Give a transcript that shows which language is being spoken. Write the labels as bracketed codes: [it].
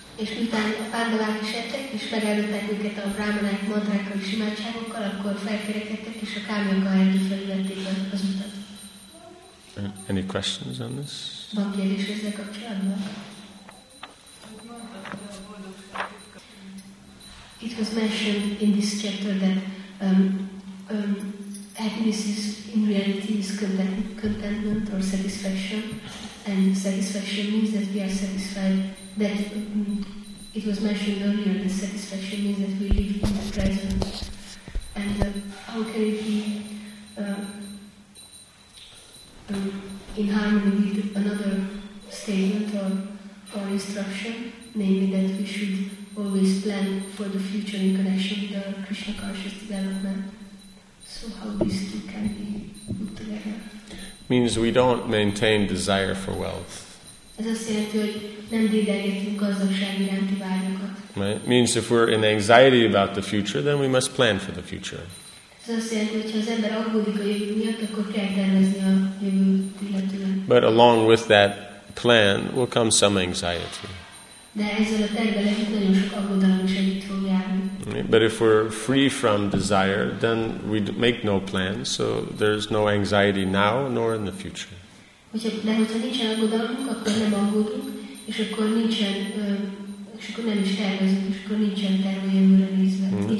[hu] És miután a Pandavák is ettek, és megelőttek őket a Brahmanák mantrákkal és imádságokkal, akkor felkerekedtek, és a Kamika erdő felé vették az utat. [en] Any questions on this? [hu] Van kérdés ezzel kapcsolatban? [en] It was mentioned in this chapter that happiness is in reality is contentment or satisfaction, and satisfaction means that we are satisfied. That it was mentioned earlier that satisfaction means that we live in the present. And how can it be in harmony with another statement or instruction, namely that we should always plan for the future in connection with our Krishna conscious development. So how these two can be put together? Means we don't maintain desire for wealth. [hu] Ez azt jelenti, hogy nem dédelgetünk gazdagság iránti vágyakat. [en] Right? Means if we're in anxiety about the future, then we must plan for the future. [hu] Ez azt jelenti, hogy ha az ember aggódik a jövő miatt, akkor kell tervezni a jövő illetően. [en] But along with that plan will come some anxiety. [hu] De ezzel a tervvel együtt nagyon sok aggodalom is együtt fog járni. [en] But if we're free from desire, then we make no plans, so there's no anxiety now nor in the future. [hu] Hogyha nincsen aggodalmunk, akkor nem aggódunk, és akkor nincsen, és akkor nem is tervezünk, és akkor nincsen terve jövőre nézve.